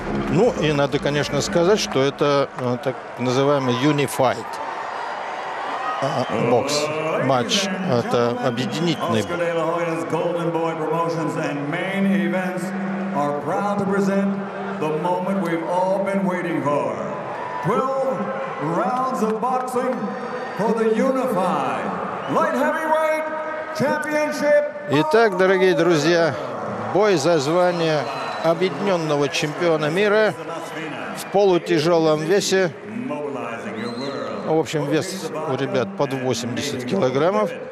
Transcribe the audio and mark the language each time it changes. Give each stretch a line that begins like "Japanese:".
Russian: Ну, и надо, конечно, сказать, что это так называемый unified бокс матч. Это объединительный бокс.
English: The moment we've all been waiting for. 12 rounds of boxing for the unified light heavyweight championship.
Russian: Итак, дорогие друзья, бой за звание объединенного чемпиона мира в полутяжелом весе. В общем, вес у ребят под 80 килограммов.